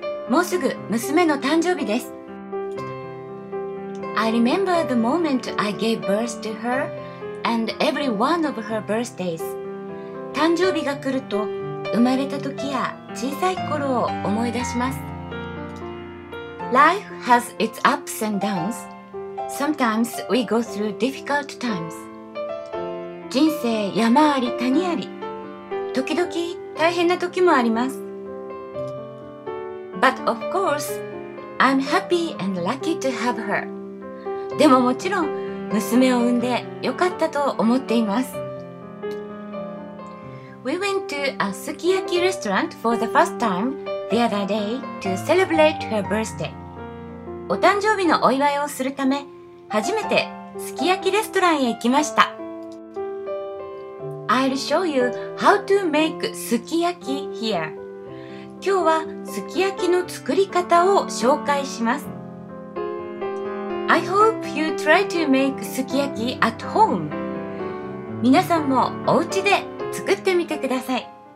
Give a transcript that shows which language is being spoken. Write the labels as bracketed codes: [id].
[ja] もうすぐ娘の誕生日です。 [en] I remember the moment I gave birth to her and every one of her birthdays. [ja] 誕生日が来ると生まれた時や小さい頃を思い出します。 [en] Life has its ups and downs. Sometimes we go through difficult times. [ja] 人生山あり谷あり。時々大変な時もあります。 [en] But of course, I'm happy and lucky to have her. [ja] でももちろん娘を産んでよかったと思っています。 [en] We went to a sukiyaki restaurant for the first time the other day to celebrate her birthday. [ja] お誕生日のお祝いをするため、初めてすき焼きレストランへ行きました。 [en] I'll show you how to make すき焼き here. [ja] 今日はすき焼きの作り方を紹介します。 [en] I hope you try to make すき焼き at home. [ja] 皆さんもお家で作ってみてください。